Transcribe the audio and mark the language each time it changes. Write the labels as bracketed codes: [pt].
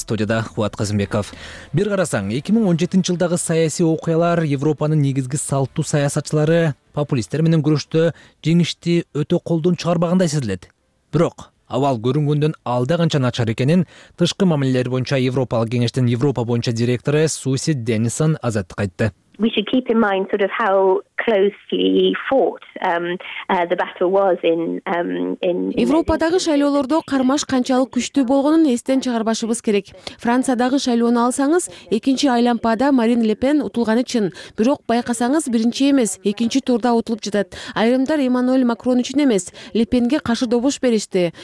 [ky] Студияда Кубат Казымбеков. Бир карасаң, 2017 жылдагы саясий окуялар Европанын негизги салттуу саясатчылары популисттер менен күрөштө жеңишти өтө колдон чыгарбагандай сезилет. Бирок абал көрүнгөндөн алда канча начар экенин тышкы мамилелер боюнча Европалык кеңештин Европа боюнча директору Суси Денисон азаттык айтты. [en] We should keep in mind sort of how closely fought the battle was in [ky] Европадагы шайлоолордо кармаш канчалык күчтүү болгонун эстен чыгарбашыбыз керек. Франциядагы шайлоону алсаңыз, экинчи айлампада Марин Ле Пен утулганы чын, бирок байкасаңыз, биринчи эмес, экинчи турда утулуп жатат. Айрымдар Эммануэль Макрон үчүн эмес, Ле Пенге каршы добуш беришти.